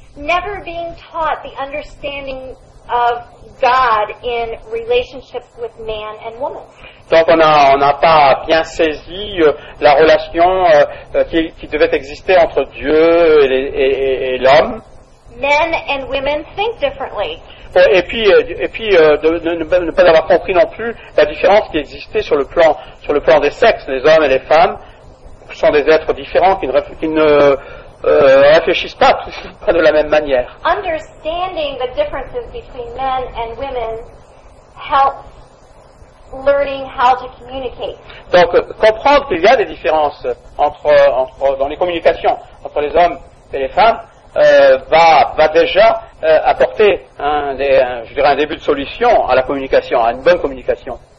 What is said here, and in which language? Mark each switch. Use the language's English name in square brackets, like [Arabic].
[English] Never being taught the understanding of God in relationships with man and woman. [French] Donc on n'a pas bien saisi la relation qui devait exister entre Dieu et l'homme. [English] Men and women think differently. [French] Et puis, ne pas avoir compris non plus la différence qui existait sur le plan des sexes. Les hommes et les femmes sont des êtres différents qui ne réfléchissent pas de la même manière. [English] Understanding the differences between men and women helps learning how to communicate. [French] Donc, comprendre qu'il y a des différences entre dans les communications entre les hommes et les femmes va déjà apporter un début de solution à la communication, à une bonne communication.